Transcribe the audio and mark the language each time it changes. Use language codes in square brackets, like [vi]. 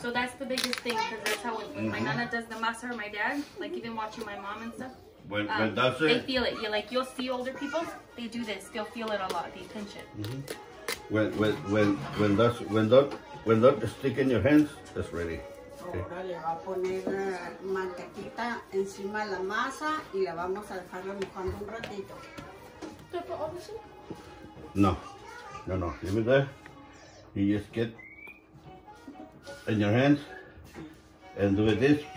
[en] So that's the biggest thing, because that's how when my nana does the masa or my dad, like even watching my mom and stuff, when that's they it. Feel it. You're like, you'll see older people, they do this. They'll feel it a lot, the tension. Mm-hmm. When that stick in your hands, that's ready. [es] Ahora le va a poner mantequita encima de la masa y la vamos a dejarla mojando un ratito. ¿Te puedo decir? [en] No. Leave it there. You just get in your hands and do it this.